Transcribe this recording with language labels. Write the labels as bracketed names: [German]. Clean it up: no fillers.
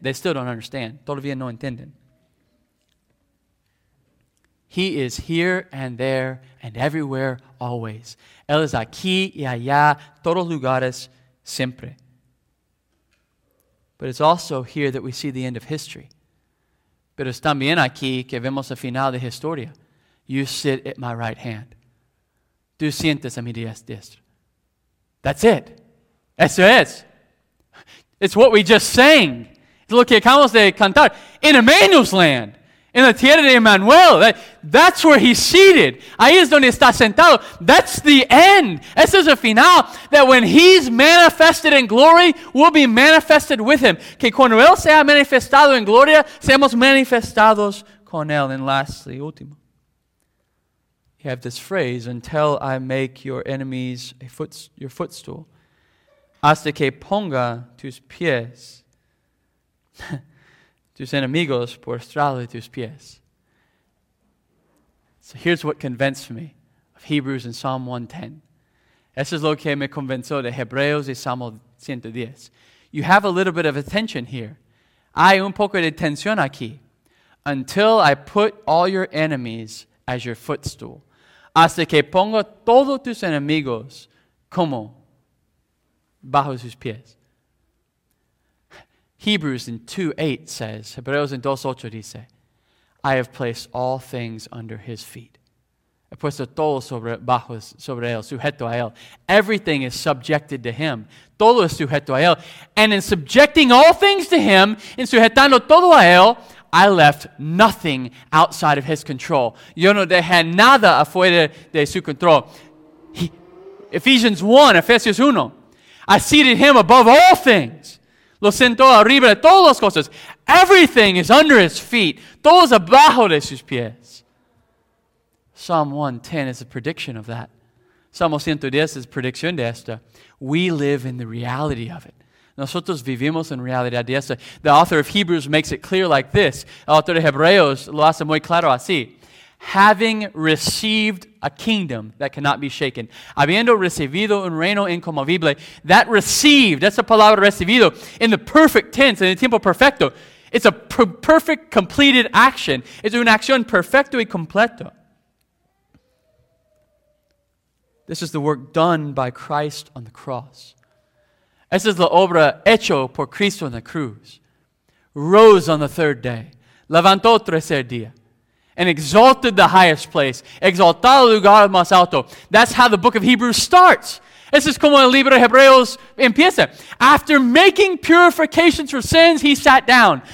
[English] They still don't understand. [Spanish] Todavía no entienden. [English] He is here and there and everywhere always. [Spanish] Él es aquí y allá, todos lugares, siempre. [English] But it's also here that we see the end of history. [Spanish] Pero es también aquí que vemos el final de historia. [English] You sit at my right hand. [Spanish] Tú sientes a mi diestra. [English] That's it. [Spanish] Eso es. [English] It's what we just sang. [Spanish] Es lo que acabamos de cantar. [English] In Emmanuel's land. In the [Spanish] tierra de Emmanuel, [English] that's where he's seated. [Spanish] Ahí es donde está sentado. [English] That's the end. [Spanish] Ese es el final. [English] That when he's manifested in glory, we'll be manifested with him. [Spanish] Que cuando él sea manifestado en gloria, seamos manifestados con él. [English] And lastly, [Spanish] último. [English] You have this phrase, until I make your enemies your footstool. [Spanish] Hasta que ponga tus pies. Tus enemigos por estrado de tus pies. [English] So here's what convinced me of Hebrews and Psalm 110. [Spanish] Eso es lo que me convenció de Hebreos y Salmo 110. [English] You have a little bit of attention here. [Spanish] Hay un poco de tensión aquí. [English] Until I put all your enemies as your footstool. [Spanish] Hasta que ponga todos tus enemigos como bajo tus pies. [English] Hebrews in 2:8 says, [Spanish] Hebreos en 2:8 dice, [English] I have placed all things under his feet. [Spanish] He puesto todo sobre él, sujeto a él. [English] Everything is subjected to him. [Spanish] Todo es sujeto a él. [English] And in subjecting all things to him, [Spanish] en sujetando todo a él, [English] I left nothing outside of his control. [Spanish] Yo no dejé nada afuera de su control. [English] Ephesians 1, I seated him above all things. [Spanish] Lo sentó arriba de todas las cosas. [English] Everything is under his feet. [Spanish] Todo es abajo de sus pies. [English] Psalm 110 is a prediction of that. [Spanish] Salmo 110 es predicción de esto. [English] We live in the reality of it. [Spanish] Nosotros vivimos en realidad de esto. [English] The author of Hebrews makes it clear like this. [Spanish] El autor de Hebreos lo hace muy claro así. [English] Having received a kingdom that cannot be shaken. [Spanish] Habiendo recibido un reino incomovible. [English] That received, that's the [Spanish] palabra recibido, [English] in the perfect tense, in the [Spanish] tiempo perfecto. [English] It's a perfect completed action. [Spanish] It's una acción perfecto y completo. [English] This is the work done by Christ on the cross. [Spanish] Esa es la obra hecho por Cristo en la cruz. [English] Rose on the third day. [Spanish] Levantó tercer día. [English] And exalted the highest place. [Spanish] Exaltado lugar más alto. [English] That's how the book of Hebrews starts. [Spanish] Esa es como el libro de Hebreos empieza. [English] After making purifications for sins, he sat down.